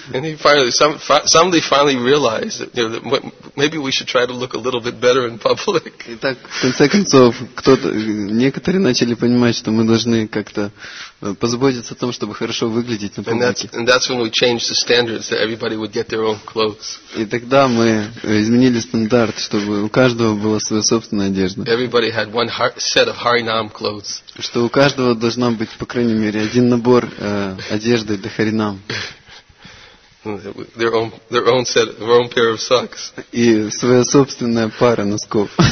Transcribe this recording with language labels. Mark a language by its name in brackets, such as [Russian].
[English] And he finally, somebody finally realized that, you know, that maybe we should try to look a little bit better in public. [Russian] И так в конце концов некоторые начали понимать, что мы должны как-то позаботиться о том, чтобы хорошо выглядеть на публике. [English] And that's when we changed the standards that everybody would get their own clothes. [Russian] И тогда мы изменили стандарт, чтобы у каждого была своя собственная одежда. [English] Everybody had one set of Haranam clothes. [Russian] Что у каждого должна быть по крайней мере один набор одежды для Харинам. [English] Their own pair of socks. [Russian] И своя собственная пара носков.